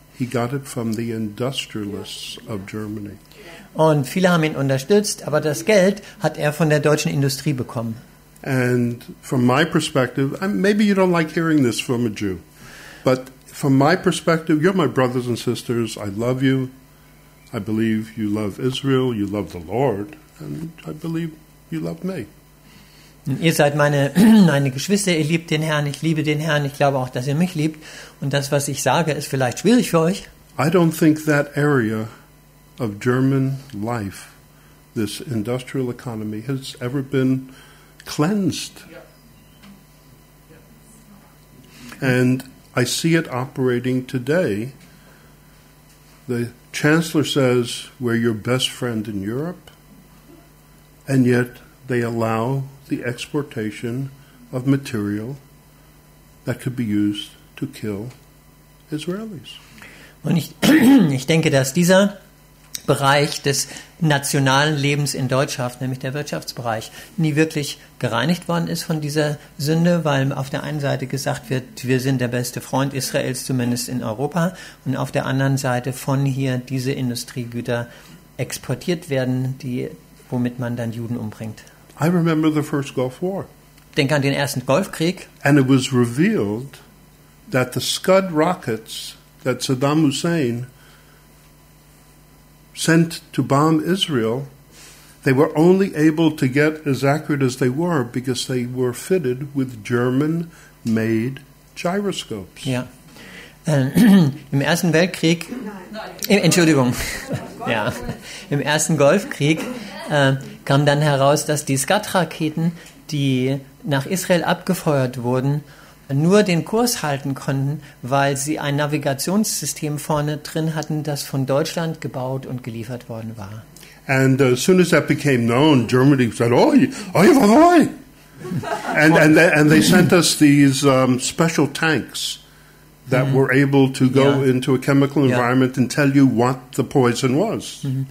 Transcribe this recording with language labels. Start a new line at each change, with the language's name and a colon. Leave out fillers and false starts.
English: He got it from the industrialists of Germany.
German: Und viele haben ihn unterstützt, aber das Geld hat von der deutschen Industrie bekommen.
English: And from my perspective, maybe you don't like hearing this from a Jew, but from my perspective, you're my brothers and sisters, I love you, I believe you love Israel, you love the Lord, and I believe you love me.
German: Ihr seid meine Geschwister, ihr liebt den Herrn, ich liebe den Herrn, ich glaube auch, dass ihr mich liebt. Und das, was ich sage, ist vielleicht schwierig für euch.
English: I don't think that area of German life, this industrial economy, has ever been cleansed. And I see it operating today. The chancellor says, we're your best friend in Europe, and yet they allow the exportation of material that could be used to kill Israelis.
German: Und ich denke, dass dieser Bereich des nationalen Lebens in Deutschland, nämlich der Wirtschaftsbereich, nie wirklich gereinigt worden ist von dieser Sünde, weil auf der einen Seite gesagt wird, wir sind der beste Freund Israels, zumindest in Europa, und auf der anderen Seite von hier diese Industriegüter exportiert werden, die, womit man dann Juden umbringt.
English: I remember the first Gulf War.
German: Denk an den ersten Golfkrieg.
English: And it was revealed that the Scud rockets that Saddam Hussein sent to bomb Israel, they were only able to get as accurate as they were because they were fitted with German-made gyroscopes.
German: Ja. Im Ersten Weltkrieg, Entschuldigung, ja, im Ersten Golfkrieg kam dann heraus, dass die Scud-Raketen, die nach Israel abgefeuert wurden, nur den Kurs halten konnten, weil sie ein Navigationssystem vorne drin hatten, das von Deutschland gebaut und geliefert worden war.
English: And as soon as that became known, Germany said, "Oh, oh, oh, oh!" And they sent us these special tanks that were able to go into a chemical environment and tell you what the poison was.